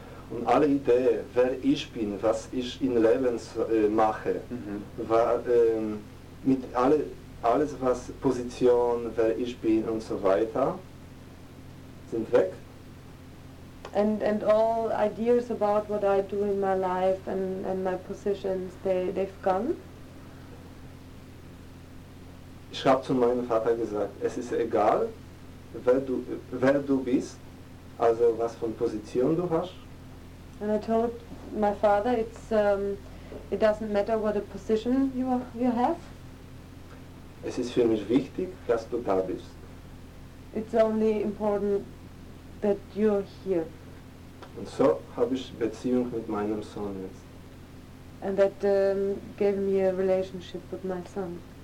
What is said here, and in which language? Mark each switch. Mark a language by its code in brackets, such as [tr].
[de] Und alle Ideen, wer ich bin, was ich im Leben mache, war mit alles was Position, wer ich bin und so weiter, sind weg. [en] And all ideas about what I do in my life and my positions, they've gone. [de] Ich habe zu meinem Vater gesagt, es ist egal, wer du bist, also was von Position du hast. [en] And I told my father, it doesn't matter what a position you have. [de] Es ist für mich wichtig, dass du da bist. [en] It's only important that you're here. [de] Und so habe ich Beziehung mit meinem Sohn jetzt. [en] And that gave me a relationship with my son.